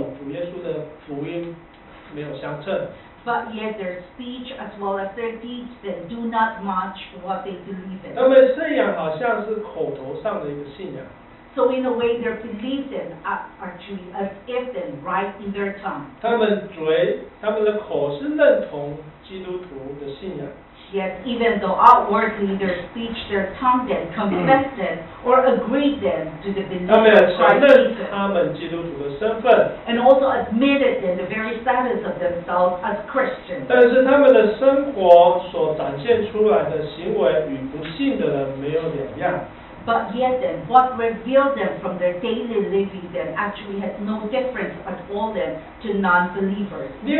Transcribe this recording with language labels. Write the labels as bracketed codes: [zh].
[zh] 但是他们的行为，他们的话语却与主耶稣的福音没有相称。 [en] But yet their speech as well as their deeds then do not match what they believe in. [zh] 他们的信仰好像是口头上的一个信仰。 [en] So in a way, their beliefs then are true as if then right in their tongue. [zh] 他们的口是认同基督徒的信仰。 [en] Yet even though outwardly their speech, their tongue then confessed it or agreed then to the belief of Christ. And also admitted then the very status of themselves as Christians. [zh] 但是他们的生活所展现出来的行为与不信的人没有两样。 [en] But yet then, what revealed them from their daily living then actually has no difference at all then to non-believers.